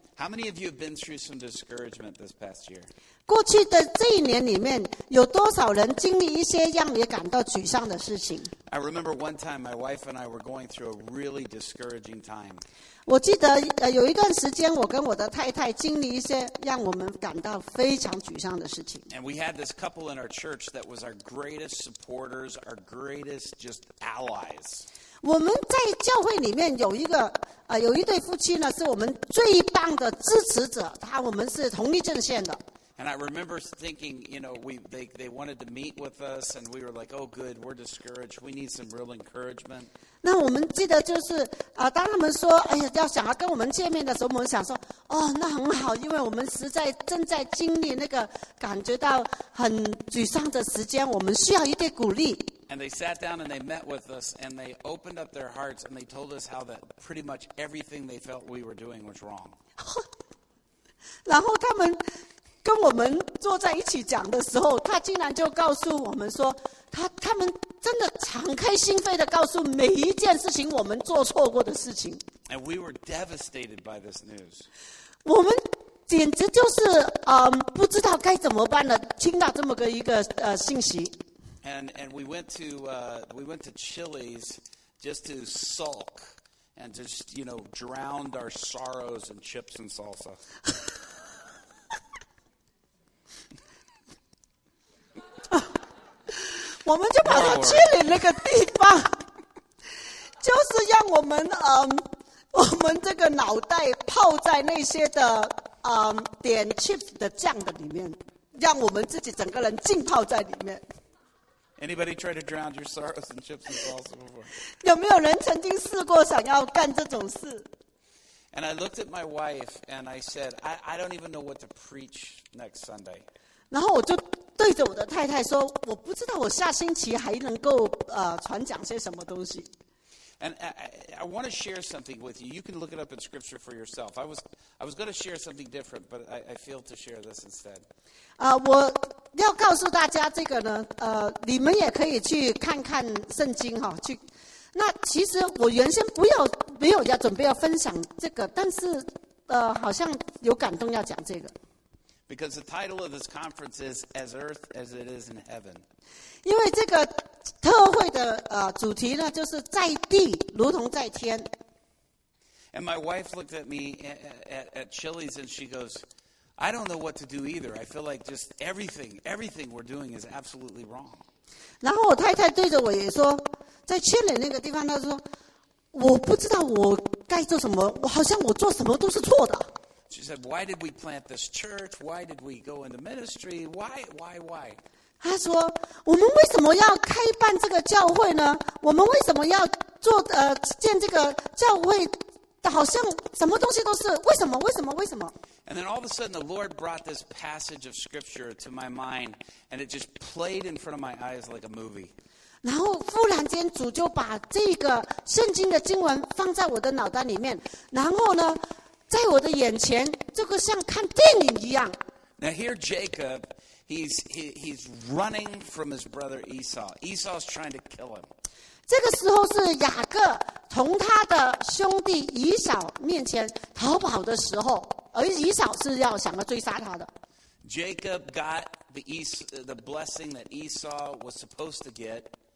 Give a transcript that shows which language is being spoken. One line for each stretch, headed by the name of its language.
English: How many of you have been through some discouragement this past year?
Chinese: 过去的这一年里面，有多少人经历一些让你感到沮丧的事情？
English: I remember one time my wife and I were going through a really discouraging time.
Chinese: 我记得有一段时间，我跟我的太太经历一些让我们感到非常沮丧的事情。
English: And we had this couple in our church that was our greatest supporters, our greatest just allies.
Chinese: 我们在教会里面有一个有一对夫妻呢是我们最棒的支持者他我们是同一阵线的
English: And I remember thinking, you know, they wanted to meet with us, and we were like, oh, good, we're discouraged. We need some real encouragement.
Chinese: 那我们记得就是啊，当他们说，哎呀，要想要跟我们见面的时候，我们想说，哦，那很好，因为我们实在正在经历那个感觉到很沮丧的时间，我们需要一点鼓励。
English: And they sat down and they met with us and they opened up their hearts and they told us how that pretty much everything they felt we were doing was wrong.
Chinese: 然后他们跟我们坐在一起讲的时候，他竟然就告诉我们说，他们真的敞开心扉的告诉每一件事情我们做错过的事情。
English: And we were devastated by this news.
Chinese: 我们简直就是不知道该怎么办了，听到这么个一个信息。
English: And we went to we went to Chili's just to sulk and just you know drown our sorrows in chips and salsa.
Chinese: 我们就跑到Chili那个地方，就是让我们我们这个脑袋泡在那些的点 chips 的酱的里面，让我们自己整个人浸泡在里面。
English: Anybody try to drown your sorrows in chips and salsa before?
Chinese: 有没有人曾经试过想要干这种事？
English: And I looked at my wife and I said, I don't even know what to preach next Sunday.
Chinese: 然后我就对着我的太太说，我不知道我下星期还能够传讲些什么东西。
English: And I want to share something with you. You can look it up in scripture for yourself. I was going to share something different, but I failed to share this instead.
Chinese: 我要告诉大家这个呢，你们也可以去看看圣经哈，去。那其实我原先没有要准备要分享这个，但是好像有感动要讲这个。
English: Because the title of this conference is As Earth as It Is in Heaven.
Chinese: 因为这个特会的主题呢，就是在地如同在天。
English: And my wife looked at me at Chili's and she goes, I don't know what to do either. I feel like just everything we're doing is absolutely wrong.
Chinese: 然后我太太对着我也说，在Chili那个地方，她说，我不知道我该做什么，我好像我做什么都是错的。
English: She said, why did we plant this church? Why did we go into ministry? Why?
Chinese: 他说，我们为什么要开办这个教会呢？我们为什么要做建这个教会？好像什么东西都是为什么？为什么？为什么？
English: And then all of a sudden, the Lord brought this passage of scripture to my mind, and it just played in front of my eyes like a movie.
Chinese: 然后忽然间，主就把这个圣经的经文放在我的脑袋里面，然后呢，在我的眼前，这个像看电影一样。
English: Now here, Jacob, he's running from his brother Esau. Esau's trying to kill him.
Chinese: 这个时候是雅各从他的兄弟以扫面前逃跑的时候，而以扫是要想要追杀他的。
English: Jacob got the blessing that Esau was supposed to get.